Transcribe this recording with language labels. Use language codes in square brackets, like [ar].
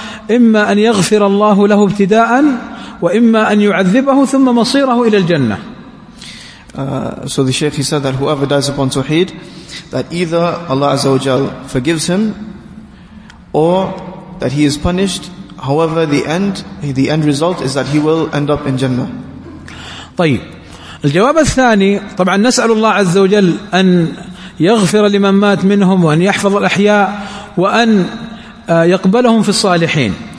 [ar] إما أن يغفر الله له ابتداء وإما أن يعذبه ثم مصيره إلى الجنة. [en] So the Shaykh, he said that whoever dies upon Tawheed, that either Allah Azza wa Jal forgives him or that he is punished. However, the end result is that he will end up in Jannah. [ar] طيب الجواب الثاني طبعا نسأل الله عز وجل أن يغفر لمن مات منهم وأن يحفظ الأحياء وأن يقبلهم في الصالحين.